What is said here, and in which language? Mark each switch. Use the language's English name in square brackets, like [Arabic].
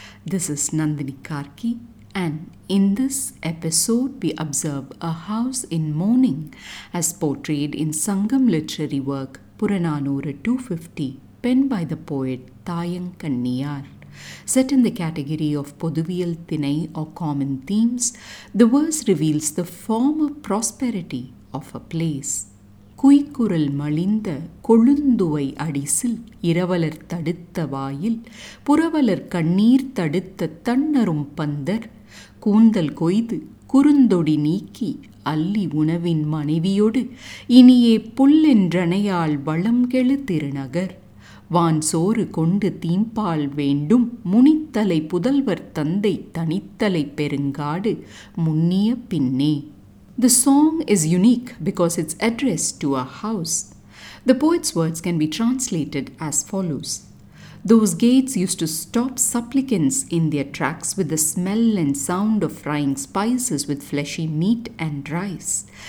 [English] This is Nandini Karki, and in this episode we observe a house in mourning as portrayed in Sangam literary work Puranaanooru 250, penned by the poet Thaayankanniyaar. Set in the category of Pothuviyal Thinai or common themes, the verse reveals the former prosperity of a place. [Tamil] குய்குரல் மலிந்த கொழுந்துவை அடிசில் இரவலர் தடுத்த வாயில் புறவலர் கண்ணீர் தடுத்த தன்னரும் பந்தர் கூந்தல் கொய்து குறுந்தொடி நீக்கி அல்லி உணவின் மனைவியொடு இனியே புல்லென்றனையால் வளம் கெழு திருநகர் வான் சோறு கொண்டு தீம்பால் வேண்டும் முனித்தலை புதல்வர் தந்தை தனித்தலை பெருங்காடு முன்னிய பின்னே. [English] The song is unique because it's addressed to a house. The poet's words can be translated as follows. Those gates used to stop supplicants in their tracks with the smell and sound of frying spices with fleshy meat and rice.